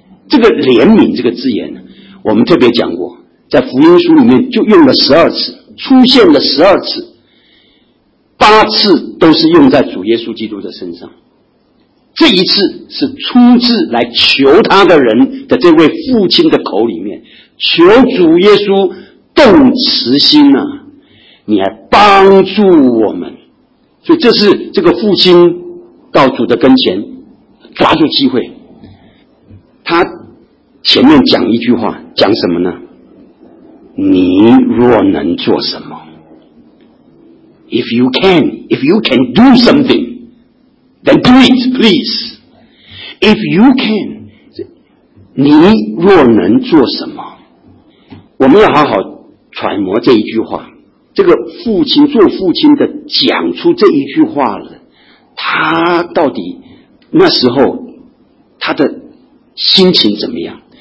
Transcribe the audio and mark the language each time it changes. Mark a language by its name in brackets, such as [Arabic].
[Chinese] 这个怜悯这个字眼我们特别讲过，在福音书里面就用了十二次，出现了十二次，八次都是用在主耶稣基督的身上，这一次是出自来求他的人的这位父亲的口里面，求主耶稣动慈心啊，你来帮助我们，所以这是这个父亲到主的跟前抓住机会。他前面讲一句话，讲什么呢？你若能做什么？ [English] If you can, if you can do something, then do it, please. If you can, [Chinese] 你若能做什么？我们要好好揣摩这一句话。这个父亲，做父亲的讲出这一句话了，他到底那时候他的心情怎么样？